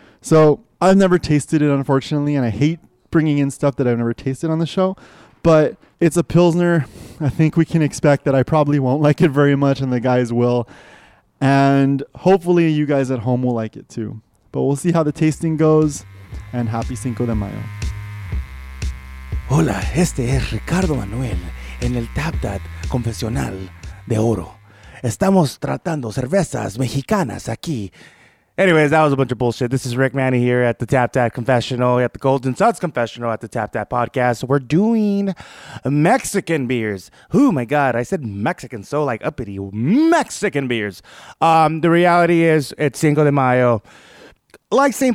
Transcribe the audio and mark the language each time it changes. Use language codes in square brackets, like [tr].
[en] So I've never tasted it, unfortunately, and I hate bringing in stuff that I've never tasted on the show, but it's a pilsner. I think we can expect that I probably won't like it very much, and the guys will, and hopefully you guys at home will like it too. But we'll see how the tasting goes, and happy Cinco de Mayo. [es] Hola, este es Ricardo Manuel en el Tap Dad Confesional de Oro. Estamos tratando cervezas mexicanas aquí [en] Anyways, that was a bunch of bullshit. This is Rick Manny here at the Tap Tap Confessional, at the Golden Suds Confessional, at the Tap Tap Podcast. We're doing Mexican beers. Oh my God, I said Mexican so like uppity. Mexican beers. The reality is, it's Cinco de Mayo. Like St.